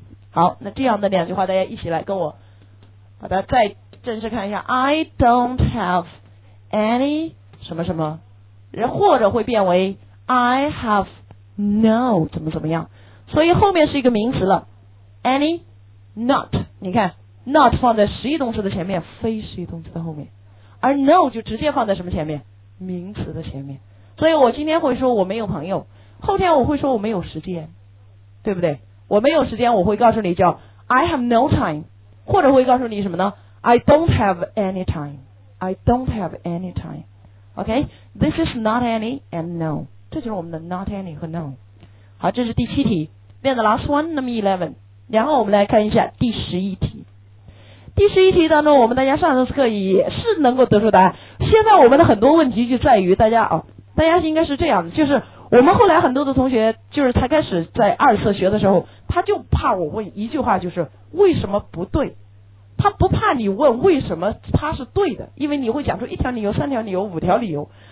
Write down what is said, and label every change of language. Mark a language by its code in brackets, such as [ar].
[zh] 好，那这样的两句话大家一起来跟我把它再正式看一下， [en] I don't have any [zh] 什么什么，或者会变为 [en] I haveNo [zh] 怎么怎么样，所以后面是一个名词了， any not， 你看 not 放在实义动词的前面，非实义动词的后面，而 no 就直接放在什么前面，名词的前面。所以我今天会说我没有朋友，后天我会说我没有时间，对不对？我没有时间我会告诉你叫 [en] I have no time， [zh] 或者会告诉你什么呢， [en] I don't have any time， I don't have any time， OK， this is not any and no， [zh] 这就是我们的 not any 和 no。好，这是第七题，练的 [en] last one number 11。 [zh] 然后我们来看一下第十一题，第十一题当中我们大家上次课也是能够得出答案。现在我们的很多问题就在于大家啊、哦，大家应该是这样的，就是我们后来很多的同学就是才开始在二次学的时候，他就怕我问一句话，就是为什么不对，他不怕你问为什么他是对的，因为你会讲出一条理由，三条理由，五条理由。